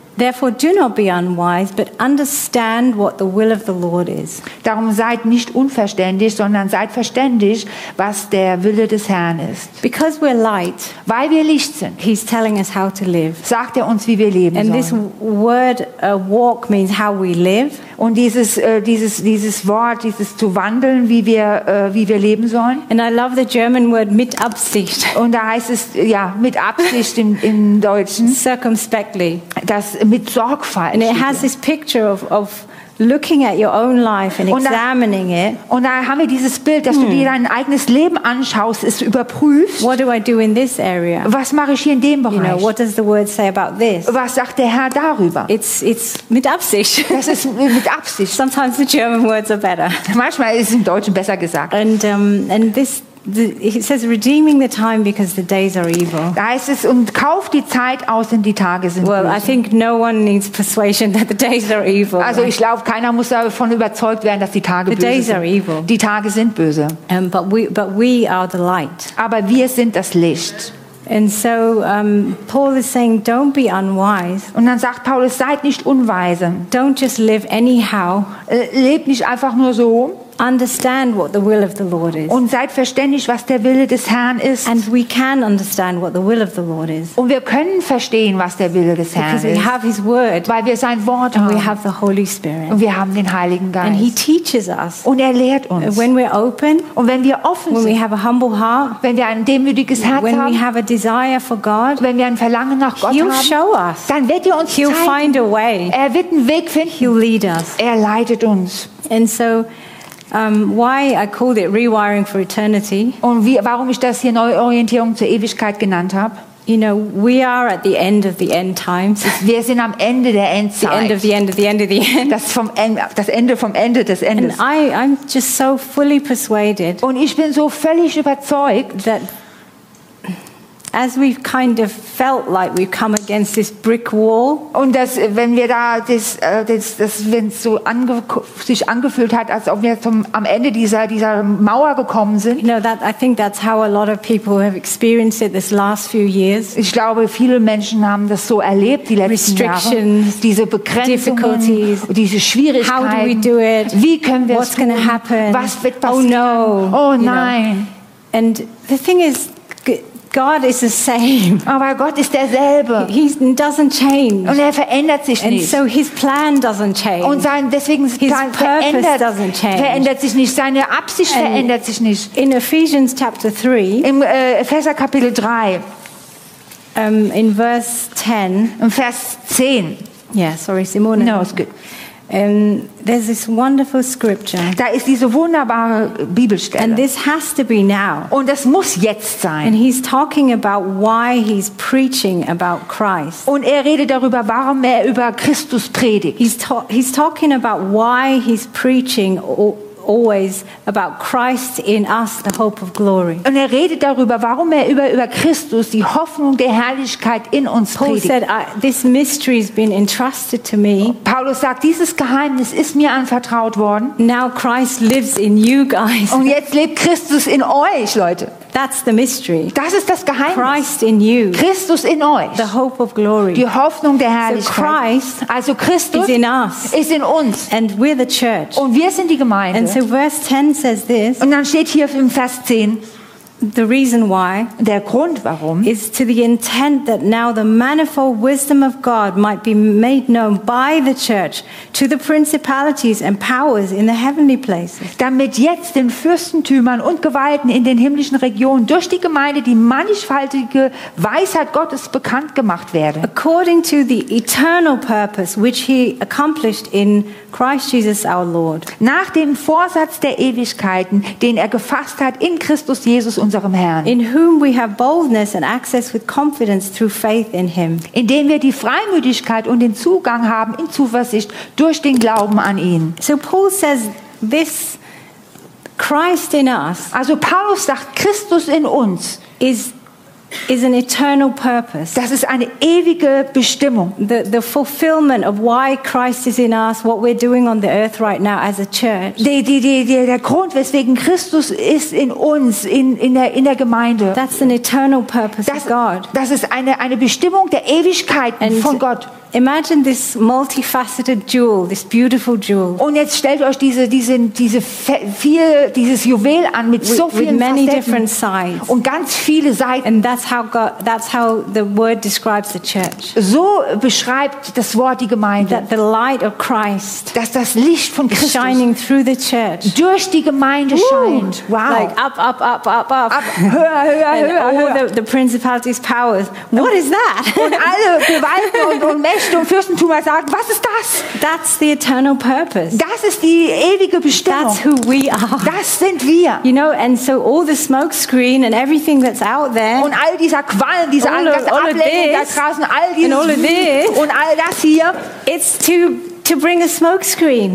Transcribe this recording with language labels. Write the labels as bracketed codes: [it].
[en] Therefore do not be unwise, but understand what the will of the Lord is. [de] Darum seid nicht unverständig, sondern seid verständig, was der Wille des Herrn ist. [en] Because we're light, [de] weil wir Licht sind, [en] he's telling us how to live. [de] Sagt er uns, wie wir leben [en] And [de] sollen. [en] This word walk means how we live. [de] Und dieses Wort, dieses zu wandeln, wie wir leben sollen. [en] And I love the German word [de] mit Absicht. Und da heißt es ja mit Absicht im Deutschen. [en] Circumspectly. [de] Das mit Sorgfalt. [en] And it has this picture of looking at your own life and examining it. [de] Und da haben wir dieses Bild, dass du dir dein eigenes Leben anschaust, es überprüfst. [en] What do I do in this area? [de] Was mache ich hier in dem Bereich? [en] You know, what does the word say about this? [de] Was sagt der Herr darüber? [en] It's [de] mit Absicht. Das ist mit Absicht. [en] Sometimes the German words are better. [de] Manchmal ist es im Deutschen besser gesagt. [en] And this it says redeeming the time because the days are evil. [de] Da heißt es, und kauf die Zeit aus, denn die Tage sind böse. [en] Well, I think no one needs persuasion that the days are evil. [de] Also ich glaube, keiner muss davon überzeugt werden, dass die Tage böse sind. [en] The days are evil. [de] Die Tage sind böse. [en] But we are the light. [de] Aber wir sind das Licht. [en] And so Paul is saying, don't be unwise. [de] Und dann sagt Paulus, seid nicht unweise. [en] Don't just live anyhow. [de] Lebt nicht einfach nur so. [en] Understand what the will of the Lord is. [de] Und seid verständlich, was der Wille des Herrn ist. [en] And we can understand what the will of the Lord is. [de] Und wir können verstehen, was der Wille des Herrn ist. [en] Because we have His Word. [de] Weil wir sein Wort haben. [en] We have the Holy Spirit. [de] Und wir haben den Heiligen Geist. [en] And He teaches us. [de] Und er lehrt uns. [en] When we're open. [de] Und wenn wir offen sind. [en] When we have a humble heart. [de] Wenn wir ein demütiges Herz [en] when [de] haben. [en] When we have a desire for God. [de] Wenn wir ein Verlangen nach Gott [en] he'll [de] haben. [en] Show us. [de] Dann wird er uns [en] he'll [de] zeigen. [en] Find a way. [de] Er wird einen Weg finden. [en] He'll lead us. [de] Er leitet uns. [en] And so. Why I called it rewiring for eternity. [de] Und wie, warum ich das hier Neuorientierung zur Ewigkeit genannt habe. [en] You know, we are at the end of the end times. [de] Wir sind am Ende der Endzeit. [en] The end of the end of the end of the end. [de] Das Ende vom Ende des Endes. [en] And I'm just so fully persuaded. [de] Und ich bin so völlig überzeugt, [en] that as we've kind of felt like we've come against this brick wall. [de] Und dass wenn wir da das wenn es so sich angefühlt hat, als ob wir am Ende dieser Mauer gekommen sind. [en] You know, that I think that's how a lot of people have experienced it this last few years. [de] Ich glaube, viele Menschen haben das so erlebt die letzten [en] Restrictions, [de] Jahre. Diese Begrenzungen, [en] difficulties, [de] diese Schwierigkeiten. [en] How do we do it? [de] Wie können wir [en] What's gonna happen? [de] Was wird passieren? [en] Oh no! [de] Oh nein! [en] And the thing is. God is the same. [de] Aber Gott ist derselbe. [en] He doesn't change. [de] Und er verändert sich [en] and [de] nicht. [en] So his plan doesn't change. [de] Und sein deswegen [en] his plan purpose doesn't change. [de] Verändert sich nicht. Seine Absicht [en] and [de] verändert sich nicht. [en] In Ephesians chapter 3. [de] Im Epheser Kapitel 3. [en] In verse 10. [de] Im Vers 10. [en] Yeah, sorry, Simone. No, it's good. There's this wonderful scripture. [de] Da ist diese wunderbare Bibelstelle. [en] And this has to be now. [de] Und das muss jetzt sein. [en] And he's talking about why he's preaching about Christ. [de] Und er redet darüber, warum er über Christus predigt. [en] He's talking about why he's preaching always about Christ in us, the hope of glory. [de] Und er redet darüber, warum er über Christus, die Hoffnung der Herrlichkeit in uns [en] Paul [de] predigt. [en] Said, this mystery has been entrusted to me. [de] Paulus sagt, dieses Geheimnis ist mir anvertraut worden. [en] Now Christ lives in you guys. [de] Und jetzt lebt Christus in euch, Leute. [en] That's the mystery. [de] Das ist das Geheimnis. [en] Christ in you. [de] Christus in euch. [en] The hope of glory. [de] Die Hoffnung der Herrlichkeit. [en] So Christ, [de] also Christus, [en] is in us. [de] Ist in uns. [en] And we're the church. [de] Und wir sind die Gemeinde. [en] And so verse 10 says this. [de] Und dann steht hier im Vers 10. [en] The reason why. [de] Der Grund warum. [en] Is to the intent that now the manifold wisdom of God might be made known by the church to the principalities and powers in the heavenly places. [de] Damit jetzt den Fürstentümern und Gewalten in den himmlischen Regionen durch die Gemeinde die mannigfaltige Weisheit Gottes bekannt gemacht werde. [en] According to the eternal purpose which he accomplished in Christ Jesus our Lord. [de] Nach dem Vorsatz der Ewigkeiten, den er gefasst hat in Christus Jesus unserem Herrn. [en] In whom we have boldness and access with confidence through faith in him. [de] In dem wir die Freimütigkeit und den Zugang haben in Zuversicht durch den Glauben an ihn. [en] So Paul says this Christ in us. [de] Also Paulus sagt Christus in uns [en] is an eternal purpose. [de] Das ist eine ewige Bestimmung. [en] The fulfillment of why Christ is in us, what we're doing on the earth right now as a church. [de] Der Grund, weswegen Christus ist in uns, in der Gemeinde. [en] That's an eternal purpose of God. [de] Das ist eine Bestimmung der Ewigkeiten [en] and [de] von Gott. [en] Imagine this multifaceted jewel, this beautiful jewel. [de] Und jetzt stellt euch dieses Juwel an mit so vielen [en] Many different sides. [de] Und ganz viele Seiten. [en] And that's how the word describes the church. [de] So beschreibt das Wort die Gemeinde. [en] That the light of Christ, [de] dass das Licht von Christus [en] shining through the church. [de] Durch die Gemeinde scheint. [en] Wow. Like up, up, up, up, up. Up, [de] höher, höher, [en] and [de] höher, [en] all [de] höher. [en] The principalities powers. What is that? [de] Und alle Gewalten und Mächte und Fürstentümer sagen, was ist das? [en] That's the eternal purpose. [de] Das ist die ewige Bestimmung. [en] That's who we are. [de] Das sind wir. [en] You know, and so all the smoke screen and everything that's out there. [de] Und all dieser Qualm, diese Ablenkung da draußen, all dieses und all das hier, [en] it's to bring a smoke screen.